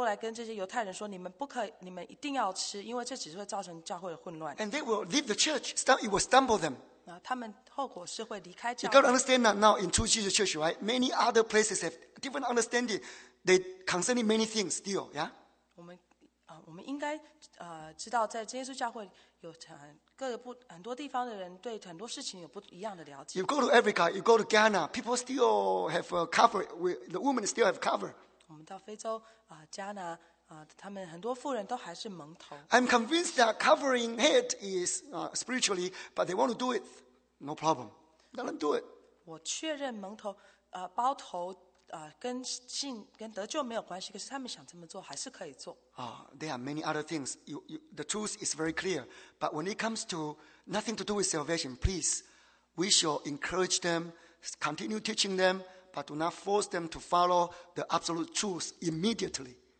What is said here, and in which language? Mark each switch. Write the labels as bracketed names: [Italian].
[Chinese] 保罗虽然是很清楚的知道这些事情，这些东西都是可以吃的，不需要守这些节庆。可是他并没有反过来跟这些犹太人说，你们不可，你们一定要吃，因为这只是会造成教会的混乱。 [English] And they will leave the church. It will stumble them. You've got to understand that now in True Jesus Church, right? Many other places have different understanding. They concerning many things still, yeah? [Chinese] 我们应该知道在基督教会有很多地方的人对很多事情有不一样的了解。 [English] You go to Africa, you go to Ghana, people still have a cover, the women still have cover. [Chinese] 我们到非洲加拿 [English] I'm convinced that covering head is spiritually, but they want to do it, no problem. Let them do it. [Chinese] 我确认蒙头包头跟得救没有关系，可是他们想这么做还是可以做。 [English] There are many other things. The truth is very clear. But when it comes to nothing to do with salvation, please, we shall encourage them, continue teaching them, but do not force them to follow the absolute truth immediately.